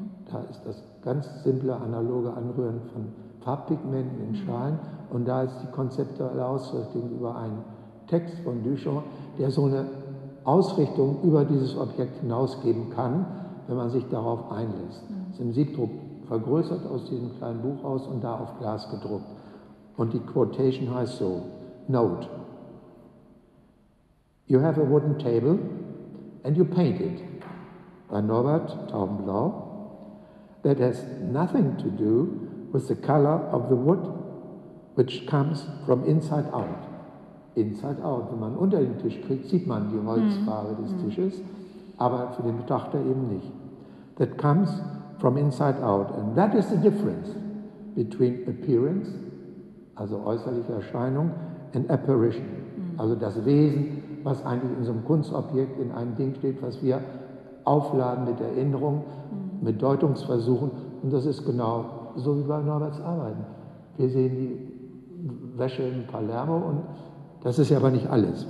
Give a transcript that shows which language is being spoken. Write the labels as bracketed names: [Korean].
[German] Da ist das ganz simple, analoge Anrühren von Farbpigmenten in Schalen und da ist die konzeptuelle Ausrichtung über einen Text von Duchamp, der so eine Ausrichtung über dieses Objekt hinausgeben kann, wenn man sich darauf einlässt. Das ist im Siebdruck vergrößert aus diesem kleinen Buch aus und da auf Glas gedruckt. Und die Quotation heißt so, Note. [English] You have a wooden table and you paint it. By Norbert Taubenblau. That has nothing to do with the color of the wood, which comes from inside out. Inside out, [German] wenn man unter den Tisch kriegt, sieht man die Holzfarbe des Tisches, aber für den Betrachter eben nicht. [English] That comes from inside out. And that is the difference between appearance, [German] also äußerliche Erscheinung, [English] and apparition, [German] also das Wesen, was eigentlich in so einem Kunstobjekt in einem Ding steht, was wir aufladen mit Erinnerung, mit Deutungsversuchen. Und das ist genau so wie bei Norberts Arbeiten. Wir sehen die Wäsche in Palermo und das ist ja aber nicht alles.